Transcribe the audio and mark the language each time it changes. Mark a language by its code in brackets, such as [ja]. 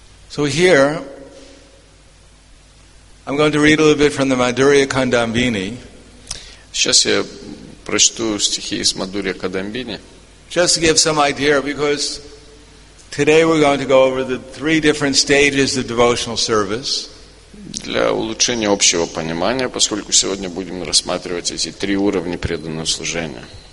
[en] So here I'm going to read a little bit from the Madhurya Kadambini. [ru] Сейчас я прочту стихи из Мадурья Кадамбини. [en] Just to give some idea, because today we're going to go over the three different stages of devotional service. [ru] Для улучшения общего понимания, поскольку сегодня будем рассматривать эти три уровня преданного служения.